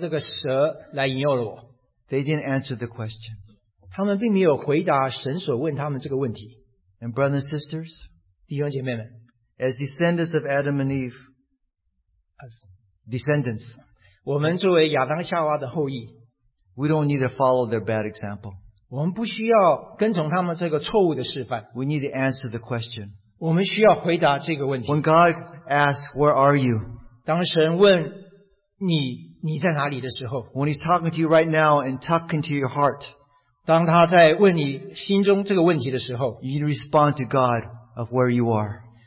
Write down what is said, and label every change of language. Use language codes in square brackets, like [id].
[zh] 那他也夏娃也是这样是责怪，相当是等于是责怪神，因为那个他说这个蛇来引诱了我。 [en] They didn't answer the question. [zh] 他们并没有回答神所问他们这个问题。 [en] And brothers and sisters, [zh] 弟兄姐妹们, [en] as descendants of Adam and Eve, as descendants, [zh] 我们作为亚当夏娃的后裔, [en] we don't need to follow their bad example. [zh] 我们不需要跟从他们这个错误的示范。 [en] We need to answer the question. [zh] 我们需要回答这个问题。 [en] When God asks, "Where are you?" [zh] 当神问你在哪里的时候。 [en] When He's talking to you right now and talking to your heart. [zh] 当他在问你心中这个问题的时候。 [en] You need to respond to God of where you are.